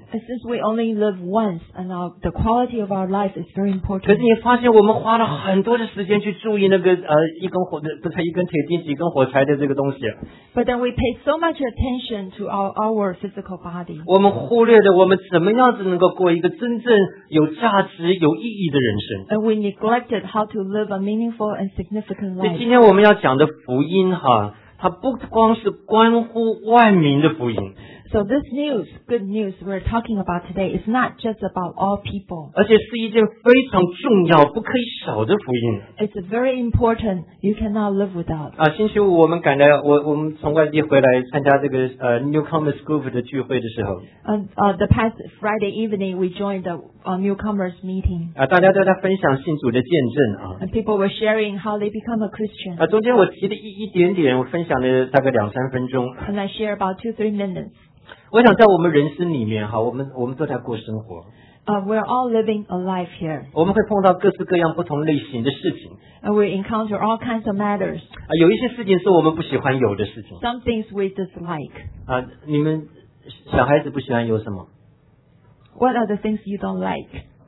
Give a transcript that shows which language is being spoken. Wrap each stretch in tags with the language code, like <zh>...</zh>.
<en>Since we only live once, and the quality of our life is very important.</en> <zh>可是你发现我们花了很多的时间去注意那个一根铁钉、几根火柴的这个东西。</zh> <en>But then we pay so much attention to our physical body.</en> <zh>我们忽略了我们怎么样子能够过一个真正有价值、有意义的人生。</zh> <en>And we neglected how to live a meaningful and significant life.</en> <zh>所以今天我们要讲的福音哈。它不光是关乎万民的福音。</zh> <en>So this news, good news we're talking about today is not just about all people.</en> <zh>而且是一件非常重要、不可以少的福音。</zh> <en>It's a very important, you cannot live without.</en> <zh>星期五我们赶来，我们从外地回来参加这个Newcomers Group的聚会的时候。</zh> <en>The past Friday evening, we joined the Newcomers meeting.</en> <zh>大家都在分享信主的见证。</zh> <en>People were sharing how they become a Christian.</en> <zh>中间我提了一点点，我分享了大概两三分钟。</zh> <en>And I share about 2-3 minutes.</en> <zh>我想在我们人生里面，我们都在过生活。</zh> <en>We're all living a life here.</en> <zh>我们会碰到各式各样不同类型的事情。</zh> <en>And we encounter all kinds of matters.</en> <zh>有一些事情是我们不喜欢有的事情。</zh> <en>Some things we dislike.</en> <zh>你们小孩子不喜欢有什么？</zh> <en>What are the things you don't like?</en>